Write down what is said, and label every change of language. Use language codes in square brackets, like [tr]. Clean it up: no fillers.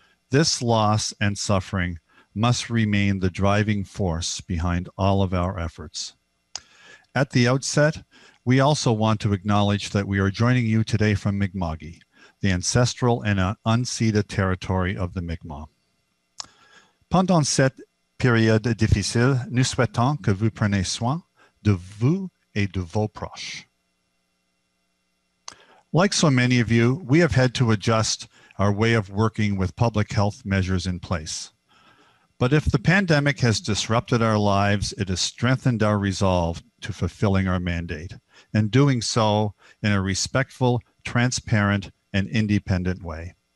[en] This loss and suffering must remain the driving force behind all of our efforts. At the outset, we also want to acknowledge that we are joining you today from Mi'kma'ki, the ancestral and unceded territory of the Mi'kmaq. [fr] Pendant cette période difficile, nous souhaitons que vous preniez soin de vous et de vos proches. [en] Like so many of you, we have had to adjust our way of working with public health measures in place. But if the pandemic has disrupted our lives, it has strengthened our resolve to fulfilling our mandate and doing so in a respectful, transparent, and independent way.